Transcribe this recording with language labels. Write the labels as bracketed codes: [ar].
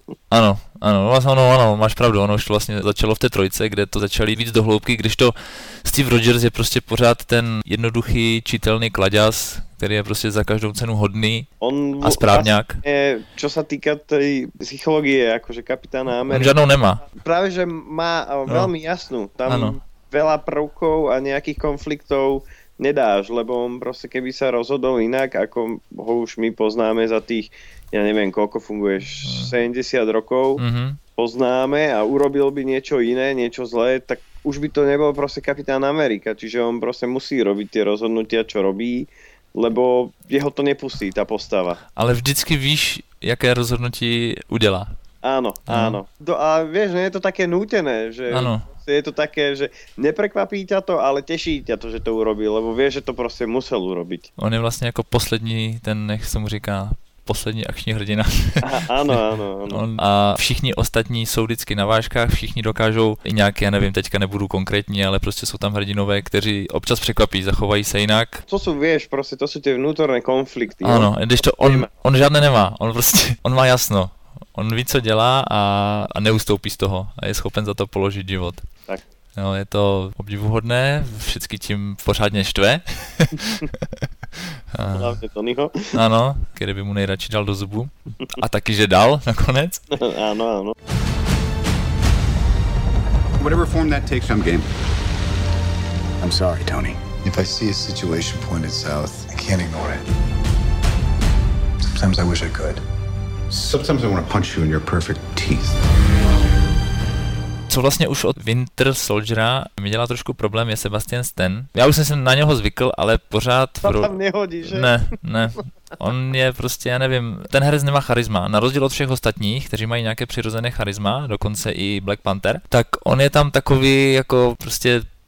[cs] Ano, ano, vlastně ono, ano, máš pravdu, ono už to vlastně začalo v té trojce, kde to začali víc do hloubky, když to Steve Rogers je prostě pořád ten jednoduchý, čitelný kladěz, který je prostě za každou cenu hodný on a správňák. Vlastně, čo se týká té psychologie, jakože kapitána Ameriky. On žádnou nemá. Právě, že má velmi jasnou. Tam... Ano. [sk] Veľa prvkov a nejakých konfliktov nedáš, lebo on proste keby sa rozhodol inak, ako ho už my poznáme za tých, ja neviem koľko funguješ, 70 rokov, poznáme a urobil by niečo iné, niečo zlé, tak už by to nebol proste kapitán Amerika, čiže on proste musí robiť tie rozhodnutia, čo robí, lebo jeho to nepustí, tá postava. [cs] Ale vždycky víš, aké rozhodnutí udelá. [sk] Áno, áno. A vieš, nie je to také nútené, že... Áno. Je to také, že neprekvapí ťa to, ale teší ťa to, že to urobí, lebo vie, že to proste musel urobiť. [cs] On je vlastne ako poslední, ten, nech sa mu říká, poslední akční hrdina. [sk] Áno, áno, áno. [cs] A všichni ostatní sú vždycky na vážkach, všichni dokážou i nejaké, ja neviem, teďka [sk] nebudú konkrétni, [cs] ale proste sú tam hrdinové, kteří občas prekvapí, zachovají sa inak. [sk] To sú, vieš, proste, to sú tie vnútorné konflikty. Áno, když to on žiadne nemá, on proste, on má jasno. [cs] On ví, co dělá a neustoupí z toho a je schopen za to položit život. Tak. No, je to obdivuhodné, všichni tím pořádně štve. Hlavně Tonyho. Ano, který by mu nejradši dal do zubu. A taky, že dal nakonec. Ano, ano. [en] Whatever form that takes, I'm game. I'm sorry, Tony. If I see a situation pointed south, I can't ignore it. Sometimes I wish I could. Sometimes I want to punch you in your perfect teeth. [cs] Co vlastně už od Winter Soldiera mi dělá trošku problém je Sebastian Stan. Já už jsem se na něho zvykl, ale pořád... To tam nehodí, že? Ne, ne. On je prostě, já nevím, ten herec nemá charisma. Na rozdíl od všech ostatních, kteří mají nějaké přirozené charisma, dokonce i Black Panther, tak on je tam takový jako prostě...